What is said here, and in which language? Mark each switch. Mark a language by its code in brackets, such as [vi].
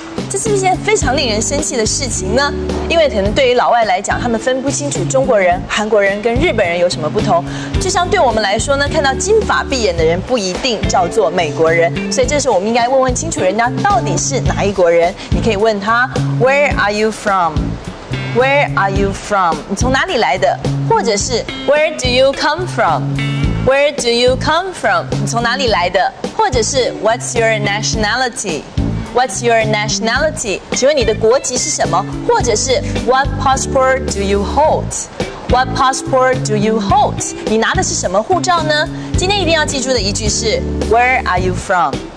[zh] 这是一件非常令人生气的事情呢，因为可能对于老外来讲，他们分不清楚中国人、韩国人跟日本人有什么不同。就像对我们来说呢，看到金发碧眼的人不一定叫做美国人，所以这时候我们应该问清楚人家到底是哪一国人。你可以问他 [en] Where are you from? Where are you from? [zh] 你从哪里来的？或者是 [en] Where do you come from? Where do you come from? [zh] 你从哪里来的？或者是 [en] What's your nationality? What's your nationality? [zh] 请问你的国籍是什么？或者是 [en] What passport do you hold? What passport do you hold? [zh] 你拿的是什么护照呢？今天一定要记住的一句是 [en] Where are you from?